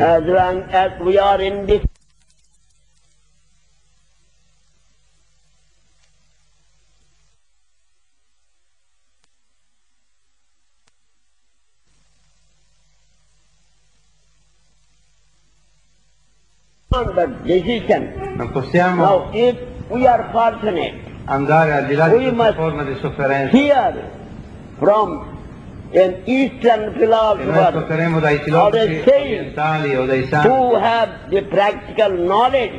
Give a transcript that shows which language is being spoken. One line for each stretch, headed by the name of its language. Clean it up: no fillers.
English: As long as we are in this decision.
Italian: Non possiamo
English: now, if we are fortunate,
Italian: andare al di là di questa forma di sofferenza.
English: Hear from an Eastern philosopher,
Italian: e noi dai filosofi orientali o dai santi,
English: who have the practical knowledge,